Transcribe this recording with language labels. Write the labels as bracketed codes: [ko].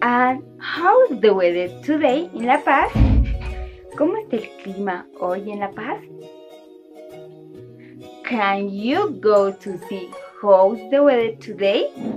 [en] And how is the weather today in La Paz? [es] ¿Cómo está el clima hoy en La Paz? [en] Can you go to see how's the weather today?